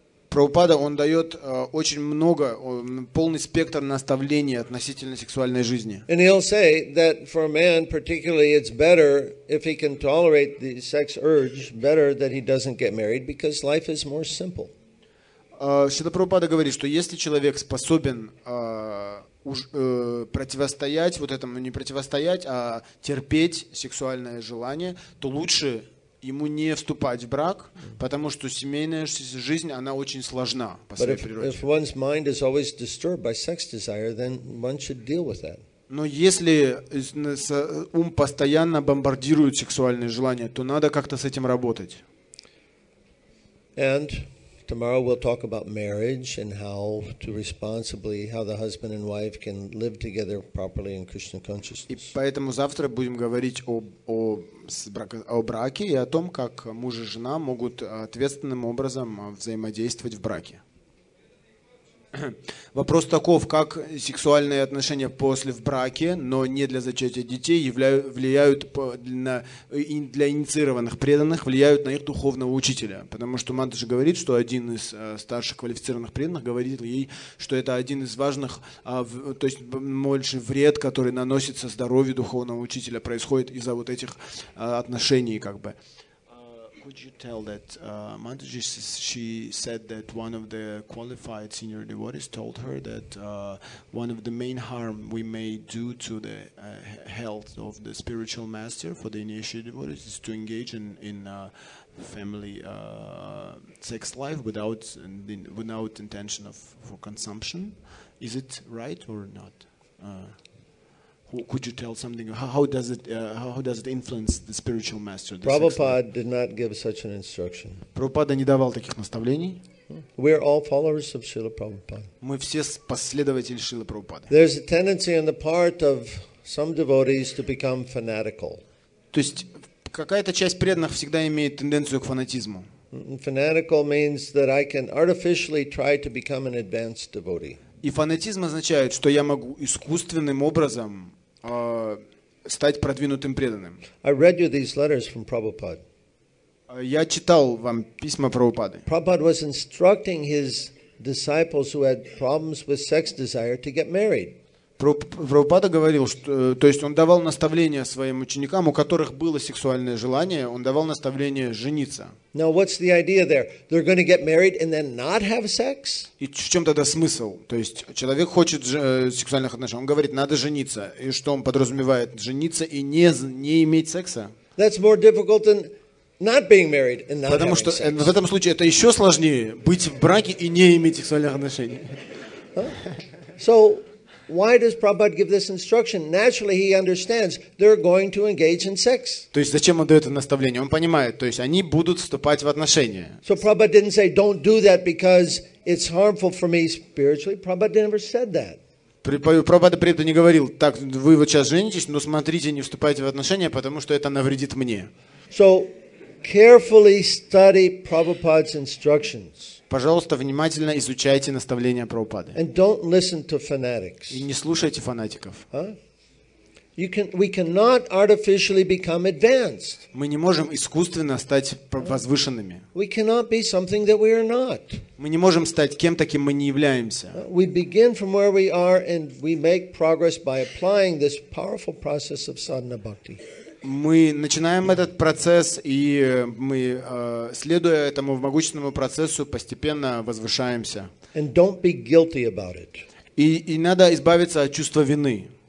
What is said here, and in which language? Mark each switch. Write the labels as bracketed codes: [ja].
[ru] Прабхупада, он дает очень много, полный спектр наставлений относительно сексуальной жизни. [en] And he'll say that for a man particularly it's better if he can tolerate the sex urge, better that he doesn't get married, because life is more simple. [ru] Шрила Прабхупада говорит, что если человек способен противостоять вот этому, не противостоять, а терпеть сексуальное желание, то лучше ему не вступать в брак, потому что семейная жизнь, она очень сложна по своей природе. [en] If one's mind is always disturbed by sex desire, then one should deal with that. [ru] Но если ум постоянно бомбардирует сексуальные желания, то надо как-то с этим работать. [en] And tomorrow we'll talk about marriage and how to responsibly, how the husband and wife can live together properly in Krishna consciousness. [ru] И поэтому завтра будем говорить о браке и о том, как муж и жена могут ответственным образом взаимодействовать в браке. Вопрос таков, как сексуальные отношения после в браке, но не для зачатия детей, влияют для инициированных преданных, влияют на их духовного учителя. Потому что Мадхаджи говорит, что один из старших квалифицированных преданных говорит ей, что это один из важных, то есть больше вред, который наносится здоровью духовного учителя, происходит из-за вот этих отношений, как бы. [en] would you tell that Mataji, she said that one of the qualified senior devotees told her that one of the main harm we may do to the health of the spiritual master for the initiated devotees is to engage in family sex life without intention of for consumption. Is it right or not? Could you tell something? How does it influence the spiritual master? Prabhupada did not give such an instruction. [ru] Prabhupada не давал таких наставлений. [en] We are all followers of Srila Prabhupada. [ru] Мы все последователи Шрилы Прабхупады. [en] There is a tendency on the part of some devotees to become fanatical. [ru] То есть какая-то часть преданных всегда имеет тенденцию к фанатизму. [en] Fanatical means that I can artificially try to become an advanced devotee. [ru] И фанатизм означает, что я могу искусственным образом стать продвинутым преданным. [en] I read you these letters from Prabhupada. [ru] Я читал вам письма Прабхупады. [en] Prabhupada was instructing his disciples who had problems with sex desire to get married. [ru] Прабхупада говорил, что, то есть он давал наставления своим ученикам, у которых было сексуальное желание, он давал наставление жениться. [en] Now what's the idea there? They're going to get married and then not have sex? [ru] И в чем тогда смысл? То есть человек хочет сексуальных отношений, он говорит, надо жениться, и что он подразумевает? Жениться и не иметь секса? [en] That's more difficult than not being married and not [ru] Потому [en] having [ru] что sex. В этом случае это еще сложнее быть в браке и не иметь сексуальных отношений. [en] So why does Prabhupada give this instruction? Naturally, he understands they're going to engage in sex. [ru] То есть зачем он дает это наставление? Он понимает, то есть они будут вступать в отношения. [en] So Prabhupada didn't say don't do that because it's harmful for me spiritually. Prabhupada never said that. [ru] Прабхупада при этом не говорил, так вы вот сейчас женитесь, но смотрите, не вступайте в отношения, потому что это навредит мне. [en] So carefully study Prabhupada's instructions. [ru] Пожалуйста, внимательно изучайте наставления Прабхупады. [en] And don't listen to fanatics. [ru] И не слушайте фанатиков. [en] We cannot artificially become advanced. [ru] Мы не можем искусственно стать возвышенными. [en] We cannot be something that we are not. [ru] Мы не можем стать кем-то, кем мы не являемся. [en] We begin from where we are and we make progress by applying this powerful process of sadhana bhakti. [ru] Мы начинаем этот процесс, и мы, следуя этому могущественному процессу, постепенно возвышаемся. [en] And don't be guilty about it. [ru] И надо избавиться от чувства вины.